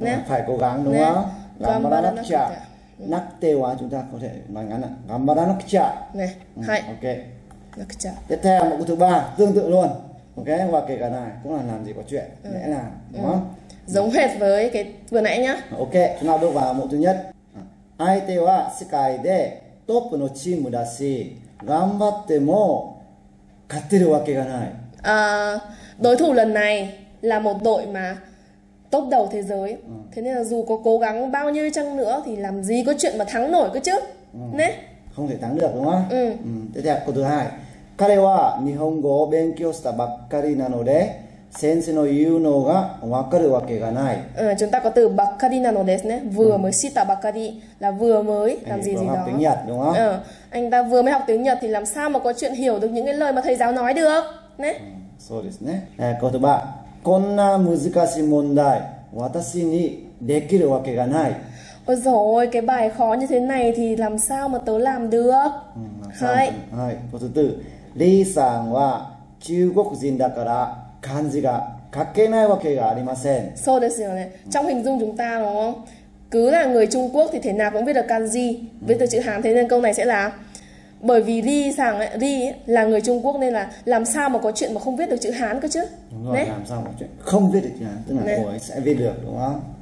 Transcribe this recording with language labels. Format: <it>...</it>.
<vi>Phải cố gắng, đúng không?</vi> <ja>Ganbaranakucha. Nakute wa</ja> <vi>chúng ta có thể nói ngắn là</vi> <ja>Ganbaranakucha. Hai.</ja> <vi>Ok. Tiếp theo, một câu thứ ba, tương tự luôn. Ok, và kể cả này cũng là làm gì có chuyện, lẽ là, đúng không? Giống hệt với cái vừa nãy nhá. Ok, chúng ta bước vào mẫu thứ nhất.</vi> <ja>相手は世界でトップのチームだし、頑張っても勝てるわけがない。</ja> <vi>Đối thủ lần này là một đội mà top đầu thế giới. Thế nên là dù có cố gắng bao nhiêu chăng nữa thì làm gì có chuyện mà thắng nổi cơ chứ. Né? Không thể thắng được đúng không? Thế thì câu thứ hai.</vi> <ja>彼は日本語を勉強したばっかりなので先生の言うのが分かるわけがない。</ja> <vi>Chúng ta có từ</vi> <ja>ばっかりなのですね。</ja> <vi>Vừa mới</vi> <ja>したばっかり</ja> <vi>là vừa mới làm gì gì đó. Học tiếng Nhật đúng không? Anh ta vừa mới học tiếng Nhật thì làm sao mà có chuyện hiểu được những cái lời mà thầy giáo nói được? Né?</vi> <ja>そうですね。</ja> <vi>câu thứ ba.</vi> <ja>こんな難しい問題私にできるわけがない。</ja> <vi>Ôi dồi ôi, cái bài khó như thế này thì làm sao mà tớ làm được? Câu thứ tư. Lý sang là Trung Quốc</vi> <ja>人だから漢字が書けないわけがありません。そうですよね。</ja> <vi>Trong hình dung chúng ta đúng không? Cứ là người Trung Quốc thì thế nào cũng biết được kanji, biết được chữ Hán, thế nên câu này sẽ là bởi vì Lý sang ấy, Lý là người Trung Quốc nên là làm sao mà có chuyện mà không biết được chữ Hán cơ chứ? Đúng rồi, này. Làm sao mà chuyện không biết được chữ Hán, tức là cô ấy sẽ viết được đúng không?</vi>